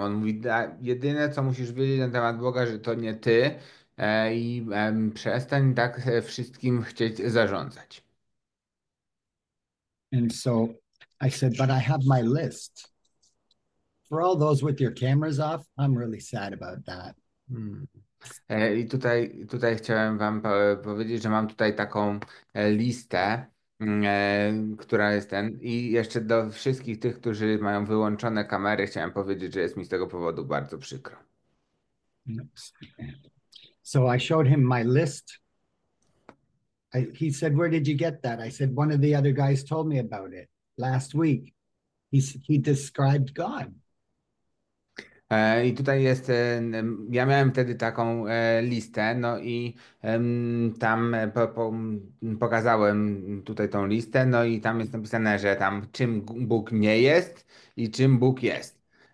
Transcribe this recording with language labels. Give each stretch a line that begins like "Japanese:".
Polish: On mówi, jedyne, co musisz wiedzieć na temat Boga, że to nie ty, i przestań tak wszystkim chcieć zarządzać.
English: And so I said, "But I have my list. For all those with your cameras off, I'm really sad about that."
Polish: I tutaj chciałem wam powiedzieć, że mam tutaj taką listę, która jest ten. I jeszcze do wszystkich tych, którzy mają wyłączone kamery, chciałem powiedzieć, że jest mi z tego powodu bardzo przykro.
English: So I showed him my list. He said, "Where did you get that?" I said, "One of the other guys told me about it last week." He described God.
Polish: I tutaj jest, ja miałem wtedy taką listę, no i tam pokazałem tutaj tą listę, no i tam jest napisane, że tam czym Bóg nie jest i czym Bóg jest.